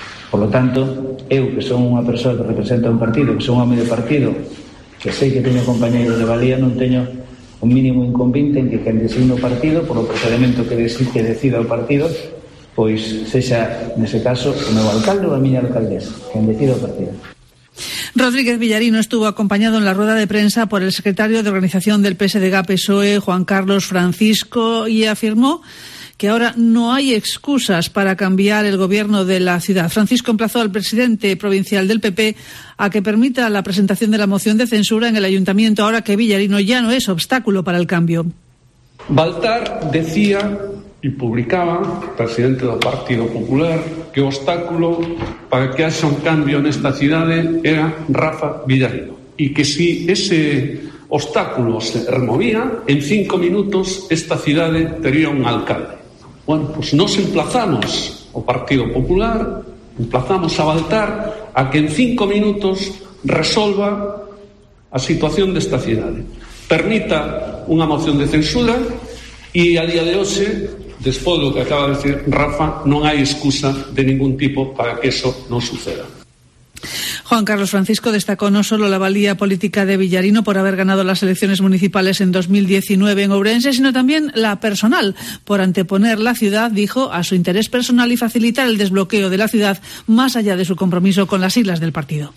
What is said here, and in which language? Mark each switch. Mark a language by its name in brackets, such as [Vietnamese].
[Spanish] Por lo tanto, [Galician] eu que son unha persoa que representa un partido, que son un home de partido, que sei que teño compañeiros de valía, non teño un mínimo inconveniente en que quen designe o partido, por o procedimento que decida o partido, pois sexa, nese caso, o meu alcalde ou a miña alcaldesa, quen decida o partido. [Spanish] Rodríguez Villarino estuvo acompañado en la rueda de prensa por el secretario de organización del PSDG-PSOE, Juan Carlos Francisco, y afirmó que ahora no hay excusas para cambiar el gobierno de la ciudad. Francisco emplazó al presidente provincial del PP a que permita la presentación de la moción de censura en el ayuntamiento, ahora que Villarino ya no es obstáculo para el cambio. Baltar decía y publicaba, presidente del Partido Popular, que obstáculo para que haya un cambio en esta ciudad era Rafa Villarino. Y que si ese obstáculo se removía, en 5 minutos esta ciudad tenía un alcalde. [Galician] Bueno, pues nos emplazamos o Partido Popular, emplazamos a Baltar a que en 5 minutos resolva a situación de esta cidade. Permita unha moción de censura e a día de hoxe, despois do que acaba de decir Rafa, non hai excusa de ningún tipo para que eso non suceda. [Spanish] Juan Carlos Francisco destacó no solo la valía política de Villarino por haber ganado las elecciones municipales en 2019 en Ourense, sino también la personal, por anteponer la ciudad, dijo, a su interés personal y facilitar el desbloqueo de la ciudad más allá de su compromiso con las siglas del partido.